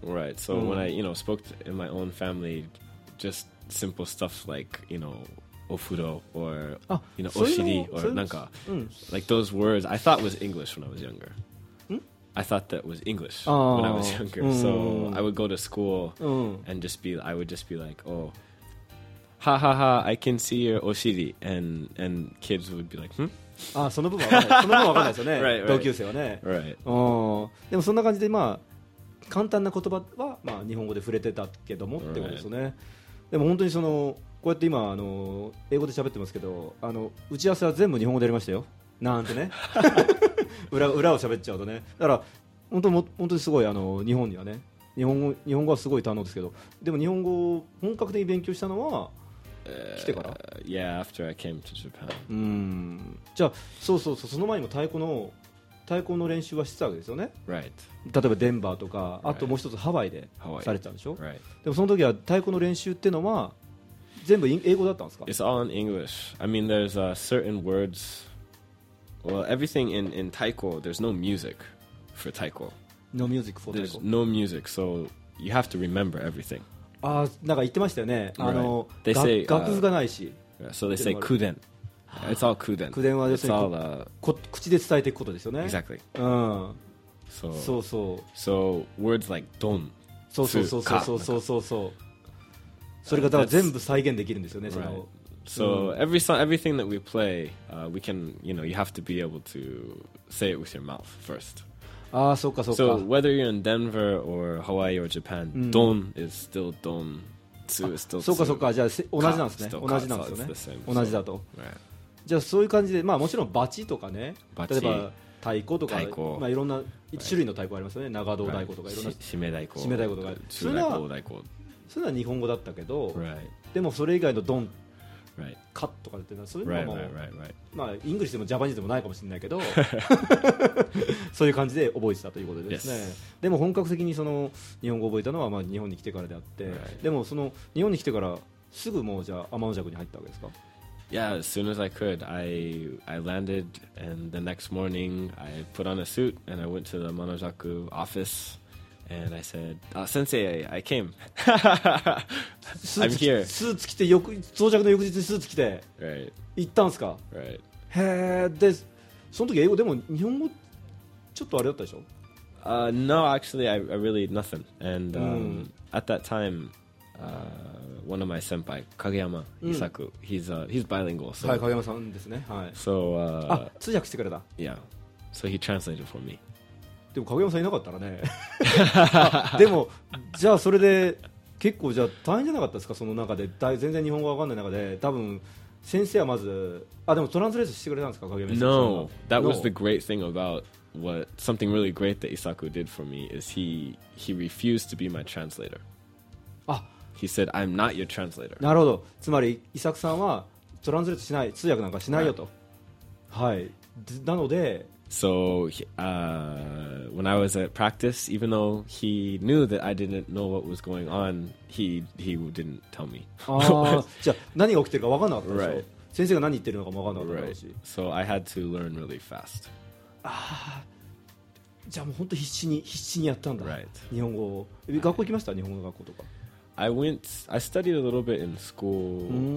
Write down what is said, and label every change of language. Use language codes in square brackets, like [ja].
[en] Right, so when I, you know, spoke to, in my own family, just simple stuff like, you know,お風呂 or you know, お尻 or なんか、like those words I thought was English when I was younger. I thought that was English when I was younger. So I would go to school and just be, I would just be like, oh, ha ha ha, I can see your お尻 and kids would be like, hmm? [ja] あ、その部分はその部分わかんないですよね。 [en] right, right. [ja] 同級生はね。 [en] Right. [ja] でもそんな感じで、まあ簡単な言葉はまあ日本語で触れてたけどもってことですよね。 [en] Right. [ja] でも本当にその、こうやって今あの英語で喋ってますけど、あの打ち合わせは全部日本語でやりましたよなんてね裏を喋っちゃうとね。だから本当にすごい、あの日本にはね、日本語はすごい堪能ですけど、でも日本語を本格的に勉強したのは来てから [en] Yeah, after I came to Japan. [ja] じゃあそう、その前にも太鼓の練習はしてたわけですよね。 [en] Right. [ja] 例えばデンバーとか、あともう一つハワイでされてたんでしょ。 [en] Right. [ja] でもその時は太鼓の練習ってのは全部英語だったんですか？ [en] It's all in English. I mean, there's certain words. Well, everything in taiko, there's no music for taiko. No music for there's taiko. There's no music, so you have to remember everything. [ja] ああ、なんか言ってましたよね。 [en] Right. [ja] あの、 [en] they say, [ja] 楽譜がないし。 [en] So they say kuden. It's all kuden. [ja] Kuden はですね、 [en] all, [ja] 口で伝えていくことですよね。 [en] Exactly. [ja] So, そうそう。 [en] So words like don, [ja] そうそうそうそうそうそうそうそう。それがだから全部再現できるんですよね。 [en] Right. So everything that we play, we can, you know, you have to be able to say it with your mouth first. [ja] ああ、そうかそうか。 [en] So whether you're in Denver or Hawaii or Japan, don is still don, tsu is still [ja] tsu. そうかそうか。じゃあ同じなんですね。同じなんですよね。 [en] So、 [ja] 同じだと。 [en] So, [ja] じゃあそういう感じで、まあもちろんバチとかね、例えば太鼓とか、まあいろんな一種類の太鼓ありますよね。長胴太鼓とかいろんな。締め太鼓。締め太鼓とか。中大胴太鼓。それは日本語だったけど、 [en] right. [ja] でもそれ以外のドン、 [en] right. [ja] カッとかっていうのはそういうのも、 [en] right, right, right, right. [ja] まあイングリッシュでもジャパニーズでもないかもしれないけどそういう感じで覚えてたということですね。 [en] yes. [ja] でも本格的にその日本語を覚えたのはまあ日本に来てからであって、 [en] right. [ja] でもその日本に来てからすぐもうじゃあ天の尺に入ったわけですか？ [en] Yeah, as soon as I could, I landed and the next morning I put on a suit and I went to the Manojaku officeAnd I said, Sensei, I came. I'm here. [ja] Suit 着て、到着の翌日にスーツ着て、 [en] right. [ja] 行ったんすか？ [en] Right. [ja] へえ、で、その時英語でも日本語ちょっとあれだったでしょ？ [en] No, actually, I really nothing. And at that time, one of my senpai, Kageyama Isaku, he's bilingual. So, [ja] はい、Kageyama さんですね。はい。 [en] So, [ja] あ、通訳してくれた。 [en] Yeah. So he translated for me. [ja] でも影山さんいなかったらね。でもじゃあそれで結構じゃあ大変じゃなかったですか、その中で全然日本語わかんない中で。多分先生はまず、あ、でもトランスレートしてくれたんですか、影山さん。 [en] No, that was the great thing about what something really great that Isaku did for me is he refused to be my translator. あ、 he said I'm not your translator. [ja] なるほど。つまり Isaku さんはトランスレートしない、通訳なんかしないよと。はい。なので。 [en] So, when I was at practice, even though he knew that I didn't know what was going on, he didn't tell me. [ja] Ah, じゃあ何が起きてるか分かんなかったでしょ。 [en] Right. [ja] 先生が何言ってるのかも分かんなかったでしょ。 [en] So I had to learn really fast. [ja] Ah, じゃあもう本当必死にやったんだ。 [en] Right. [ja] 日本語を。学校行きました？日本語学校とか。 [en] I studied a little bit in school.